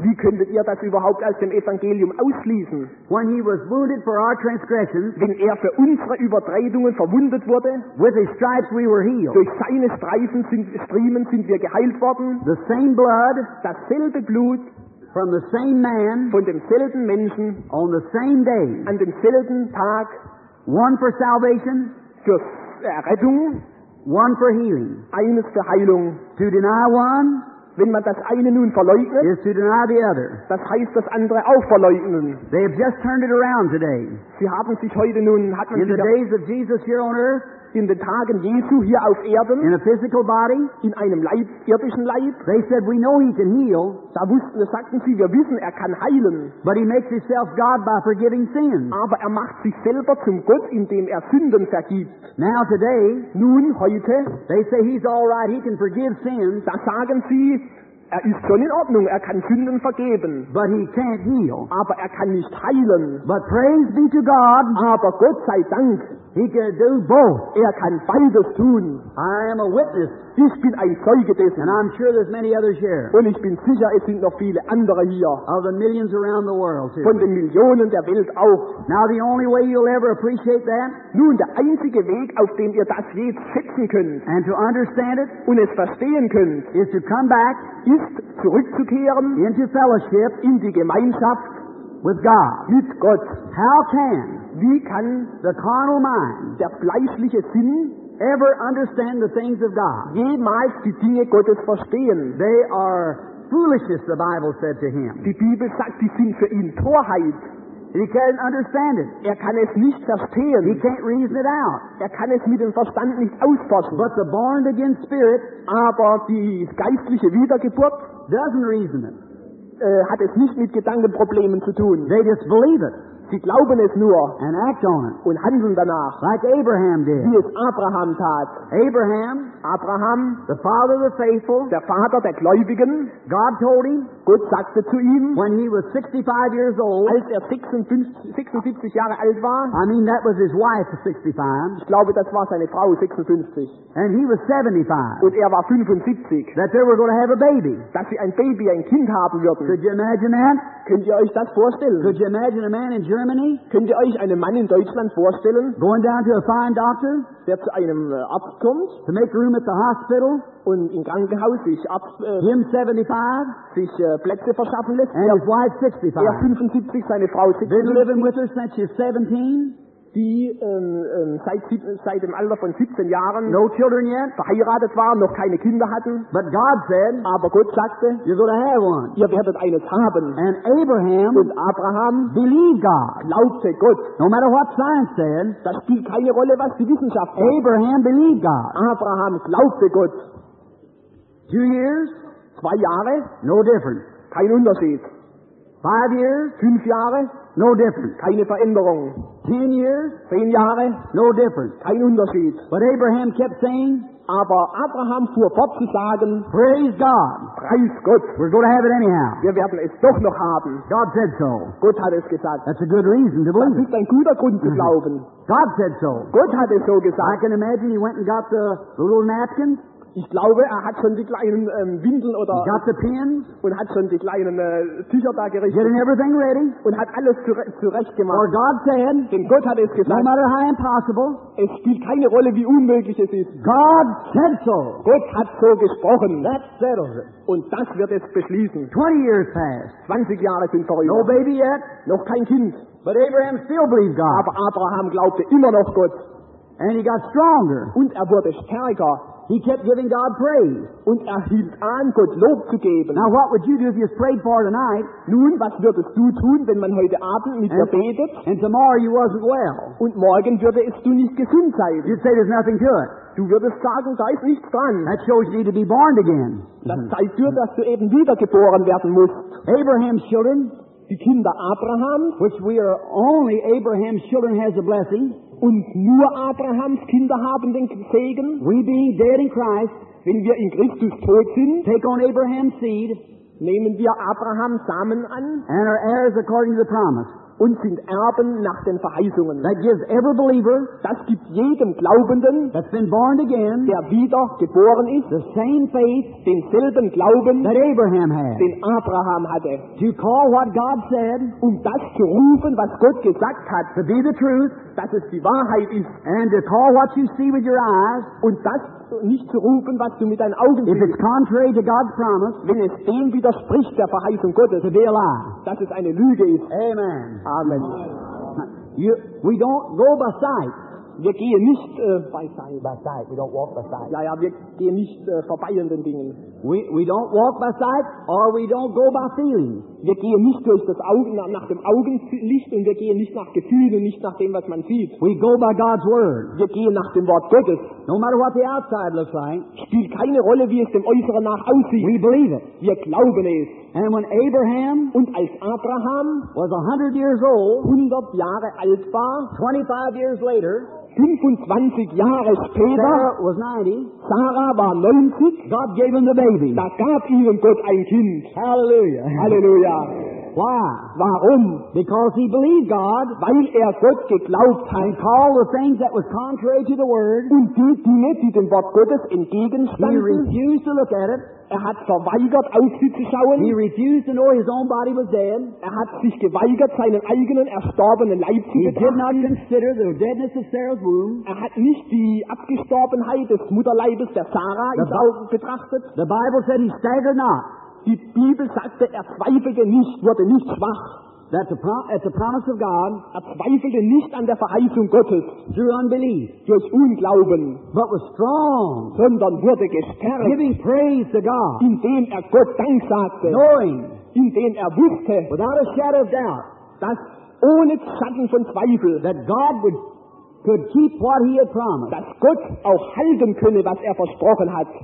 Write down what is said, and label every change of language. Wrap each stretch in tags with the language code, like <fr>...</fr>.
<de>Wie könntet ihr das überhaupt aus dem Evangelium ausschließen?</de> <en>When he was wounded for our transgressions,</en> <de>wenn er für unsere Übertretungen verwundet wurde,</de> <en>with his stripes we were healed,</en> <de>durch seine Striemen sind wir geheilt worden.</de> <en>The same blood,</en> <de>dasselbe Blut,</de> <en>from the same man,</en> <de>von demselben Menschen,</de> <en>on the same day,</en> <de>an demselben Tag,</de> <en>one for salvation,</en> <de>für Errettung,</de> <en>one for healing,</en> <de>eines für Heilung.</de> <en>To deny one,</en> <de>wenn man das eine nun verleugnet,</de> <en>is to deny the other.</en> <de>Das heißt, das andere auch verleugnen.</de> <en>They have just turned it around today.</en> <de>Sie haben sich heute nun, hat man</de> <en>in the days of Jesus here on earth,</en> <de>in den Tagen Jesu hier auf Erden,</de> <en>in a physical body,</en> <de>in einem Leib, irdischen Leib,</de> <en>they said, we know he can heal.</en> <de>Da sagten sie, wir wissen, er kann heilen.</de> <en>But he makes himself God by forgiving sins.</en> <de>Aber er macht sich selber zum Gott, indem er Sünden vergibt.</de> <en>Now today,</en> <de>nun heute,</de> <en>they say he's all right, he can forgive sins.</en> <de>Da sagen sie, er ist schon in Ordnung, er kann Sünden vergeben.</de> <en>But he can't heal.</en> <de>Aber er kann nicht heilen.</de> <en>But praise be to God.</en> <de>Aber Gott sei Dank.</de> <en>He can do both.</en> <de>Er kann beides tun.</de> <en>I am a witness.</en> <de>Ich bin ein Zeuge dessen.</de> <en>And I'm sure there's many others here.</en> <de>Und ich bin sicher, es sind noch viele andere hier.</de> <en>Of the millions around the world too.</en> <de>Von den Millionen der Welt auch.</de> <en>Now the only way you'll ever appreciate that.</en> <de>Nun, der einzige Weg, auf dem ihr das jetzt schätzen könnt.</de> <en>And to understand it.</en> <de>Und es verstehen könnt.</de> <en>Is to come back.</en> <de>Ist zurückzukehren.</de> <en>Into fellowship.</en> <de>In die Gemeinschaft.</de> <en>With God.</en> <de>Mit Gott.</de> <en>How can.</en> <de>Wie kann</de> <en>the carnal mind,</en> <de>der fleischliche Sinn,</de> <en>ever understand the things of God?</en> <de>Jemals die Dinge Gottes verstehen?</de> <en>They are foolishness, the Bible said to him.</en> <de>Die Bibel sagt, die sind für ihn Torheit.</de> <en>He can't understand it.</en> <de>Er kann es nicht verstehen.</de> <en>He can't reason it out.</en> <de>Er kann es mit dem Verstand nicht ausforschen.</de> <en>But the born again spirit,</en> <de>aber die geistliche Wiedergeburt,</de> <en>doesn't reason it.</en> <de>Hat es nicht mit Gedankenproblemen zu tun.</de> <en>They just believe it.</en> <de>Sie glauben es nur</de> <en>and act on it,</en> <de>und handeln danach,</de> <en>like Abraham did.</en> <de>Wie es Abraham tat.</de> <en>Abraham, the father of the faithful,</en> <de>der Vater der Gläubigen.</de> <en>God told him,</en> <de>Gott sagte zu ihm,</de> <en>when he was 65 years old,</en> <de>als er 76 Jahre alt war.</de> <en>I mean, that was his wife, 65.</en> <de>Ich glaube, das war seine Frau, 56.</de> <en>And he was 75.</en> <de>Und er war 75.</de> <en>That they were going to have a baby.</en> <de>Dass sie ein Baby, ein Kind haben würden.</de> <en>Could you imagine that?</en> <de>Könnt ihr euch das vorstellen?</de> <en>Could you imagine a man in Germany?</en> <de>Könnt ihr euch einen Mann in Deutschland vorstellen?</de> <en>Going down to a fine doctor?</en> <de>Der zu einem Arzt kommt?</de> <en>To make room at the hospital?</en> <de>Und im Krankenhaus sich</de> <en>him 75?</en> <de>Sich Plätze verschaffen lässt?</de> <en>And his wife 65?</en> <de>Er 75, seine Frau 65.</de> <en>Been living with her since she's 17?</en> <de>Die seit dem Alter von 17 Jahren,</de> <en>no children yet,</en> <de>verheiratet waren, noch keine Kinder hatten.</de> <en>But God said,</en> <de>aber Gott sagte,</de> <en>you're gonna have one.</en> <de>Ihr werdet eines haben.</de> <en>And Abraham,</en> <de>und Abraham,</de> <en>believed God,</en> <de>glaubte Gott.</de> <en>No matter what science said,</en> <de>das spielt keine Rolle, was die Wissenschaft sagt.</de> <en>Abraham believed God.</en> <de>Abraham glaubte Gott.</de> <en>2 years,</en> <de>2 Jahre,</de> <en>no difference.</en> <de>Kein Unterschied.</de> <en>5 years?</en> <de>5 Jahre?</de> <en>No difference.</en> <de>Keine Veränderung.</de> <en>10 years?</en> <de>10 Jahre?</de> <en>No difference.</en> <de>Kein Unterschied.</de> <en>But Abraham kept saying,</en> <de>aber Abraham fuhr fort zu sagen,</de> <en>praise God.</en> <de>Preis Gott.</de> <en>We're going to have it anyhow.</en> <de>Wir werden es doch noch haben.</de> <en>God said so.</en> <de>Gott hat es gesagt.</de> <en>That's a good reason to believe.</en> <de>Das ist ein guter Grund zu glauben.</de> <en>God said so.</en> <de>Gott hat es so gesagt.</de> <en>I can imagine he went and got the little napkins.</en> <de>Ich glaube, er hat schon die kleinen Windeln oder</de> <en>got the pins,</en> <de>und hat schon die kleinen Tücher da gerichtet.</de> <en>Getting everything ready,</en> <de>und hat alles zurecht gemacht.</de> <en>Or God said,</en> <de>denn Gott hat es gesagt.</de> <en>No matter how impossible,</en> <de>es spielt keine Rolle, wie unmöglich es ist.</de> <en>God said so.</en> <de>Gott hat so gesprochen.</de> <en>That settles it.</en> <de>Und das wird es beschließen.</de> <en>20 years passed.</en> <de>20 Jahre sind vorüber.</de> <en>No baby yet.</en> <de>Noch kein Kind.</de> <en>But Abraham still believed God.</en> <de>Aber Abraham glaubte immer noch Gott.</de> <en>And he got stronger.</en> <de>Und er wurde stärker.</de> <en>He kept giving God praise.</en> <de>Und er hielt an, Gott Lob zu geben.</de> <en>Now what would you do if you prayed for tonight?</en> <de>Nun, was würdest du tun, wenn man heute Abend mit dir betet?</de> <en>And tomorrow you wasn't well.</en> <de>Und morgen würdest du nicht gesund sein.</de> <en>You'd say there's nothing to it.</en> <de>Du würdest sagen, da ist nichts dran.</de> <en>That shows you need to be born again.</en> <de>Das zeigt dir, dass du eben wiedergeboren werden musst.</de> <en>Abraham's children,</en> <de>die Kinder Abrahams,</de> <en>which we are only Abraham's children has a blessing,</en> <de>und nur Abrahams Kinder haben den Segen.</de> <en>We being dead in Christ,</en> <de>wenn wir in Christus tot sind,</de> <en>take on Abraham's seed,</en> <de>nehmen wir Abrahams Samen an,</de> <en>and are heirs according to the promise,</en> <de>und sind Erben nach den Verheißungen.</de> <en>That gives every believer,</en> <de>das gibt jedem Glaubenden,</de> <en>that's been born again,</en> <de>der wieder geboren ist,</de> <en>the same faith,</en> <de>denselben Glauben,</de> <en>that Abraham had,</en> <de>den Abraham hatte.</de> <en>To call what God said,</en> <de>um das zu rufen, was Gott gesagt hat,</de> <en>to be the truth,</en> <de>dass es die Wahrheit ist,</de> <en>and to call what you see with your eyes,</en> <de>und das nicht zu rufen, was du mit deinen Augen siehst,</de> <en>if it's contrary to God's promise,</en> <de>wenn es dem widerspricht, der Verheißung Gottes,</de> <en>to be a lie,</en> <de>dass es eine Lüge ist.</de> <en>Amen.</en> <de>Amen.</de> <en>We don't go by sight.</en> <de>Wir gehen nicht</de> <en>By sight. We don't walk by sight.</en> <de>Ja, wir gehen nicht vorbei an den Dingen.</de> <en>We don't walk by sight, or we don't go by feeling.</en> <de>Wir gehen nicht durch das Augen nach dem Augenlicht, und wir gehen nicht nach Gefühlen und nicht nach dem, was man sieht.</de> <en>We go by God's word.</en> <de>Wir gehen nach dem Wort Gottes.</de> <en>No matter what the outside looks like,</en> <de>spielt keine Rolle, wie es dem Äußeren nach aussieht.</de> <en>We believe it.</en> <de>Wir glauben es.</de> <en>And when Abraham,</en> <de>und als Abraham,</de> <en>was 100 years old,</en> <de>100 Jahre alt war,</de> <en>25 years later,</en> <de>25 Jahre später,</de> <en>Sarah was 90,</en> <de>Sarah war 90,</de> <en>God gave him the baby.</en> <de>Da gab ihm Gott ein Kind.</de> <en>Hallelujah.</en> <de>Hallelujah.</de> <en>Why?</en> <de>Warum?</de> <en>Because he believed God,</en> <de>weil Gott geglaubt hat,</de> <en>and called the things that was contrary to the word,</en> <de>und die Dinge, die dem Wort Gottes entgegenstanden,</de> <en>he refused to look at it.</en> <de>Er hat verweigert, auf sie zu schauen.</de> <en>He refused to know his own body was dead.</en> <de>Er hat sich geweigert, seinen eigenen erstorbenen Leib zu betrachten.</de> <en>He did not consider the deadness of Sarah's womb.</en> <de>Er hat nicht die Abgestorbenheit des Mutterleibes der Sarah betrachtet.</de> <en>The Bible said he staggered not.</en> <de>Die Bibel sagte, er zweifelte nicht, wurde nicht schwach.</de> <en>That at the promise of God,</en> <de>er zweifelte nicht an der Verheißung Gottes,</de> <en>through unbelief,</en> <de>durch Unglauben,</de> <en>but was strong,</en> <de>sondern wurde gestärkt,</de> <en>giving praise to God,</en> <de>indem Gott Dank sagte,</de> <en>knowing,</en> <de>indem wusste,</de> <en>without a shadow of doubt,</en> <de>dass ohne Schatten von Zweifel,</de> <en>that God would could keep what he had promised,</en> <de>dass Gott auch halten könne, was versprochen hat.</de>